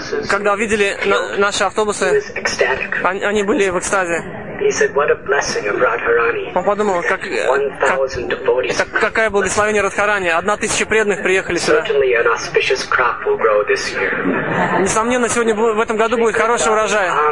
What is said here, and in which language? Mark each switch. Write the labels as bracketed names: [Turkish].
[Russian] Когда видели наши автобусы, они были в экстазе. [English] He said, "What a blessing of Radharani!" [Russian] Он подумал, как, [English] 1,000 devotees. [Russian] Это какое благословение Радхарани. 1,000 преданных приехали сюда. [English] Certainly, an auspicious crop will grow this year. [Russian] Несомненно, сегодня в этом году будет хороший урожай.